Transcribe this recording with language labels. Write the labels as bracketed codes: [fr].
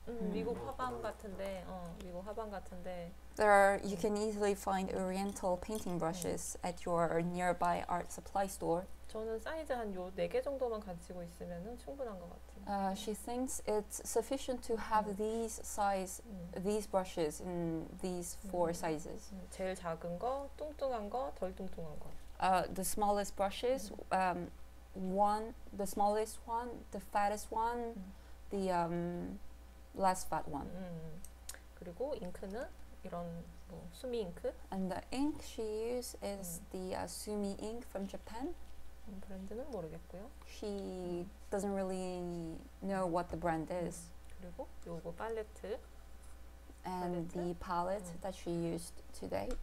[ko] 미국 화방 같은데, 미국 화방 같은데. [en] There are, you can easily find Oriental painting brushes at your nearby art supply store. [ko] 저는 사이즈 한 요 네 개 정도만 가지고 있으면은 충분한 것 같아요. [en] She thinks it's sufficient to have these size, these brushes in these four sizes. [ko] 제일 작은 거, 뚱뚱한 거, 덜 뚱뚱한 거. [en] The smallest brushes, one, the smallest one, the fattest one, the last fat one. [ko] 그리고 잉크는 이런 뭐 수미 잉크. [en] And the ink she used is the Sumi ink from Japan. [ko] 브랜드는 모르겠고요. [en] She doesn't really know what the brand is. [ko] 그리고 요거 팔레트. [en] And 팔레트? The palette that she used today.